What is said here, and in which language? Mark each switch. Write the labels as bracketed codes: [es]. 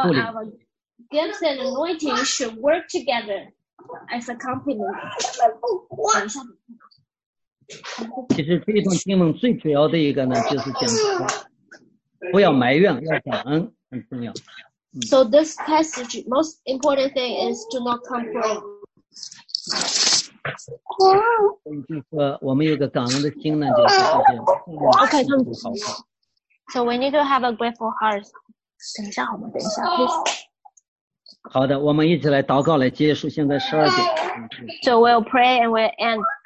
[en] So all our gifts and anointing should work together as a complement. [zh] 其实这一段经文最主要的一个呢，就是讲不要埋怨，要感恩，很重要。 [en] So this passage, most important thing is to not complain. [zh] 就是我们有个感恩的心呢，就是这样。 [en] Okay, thank you. So we need to have a grateful heart. [zh] 等一下好吗？等一下 [en] ，please. [zh] 好的，我们一起来祷告，来结束现在十二点。 [en] So we'll pray and we'll end.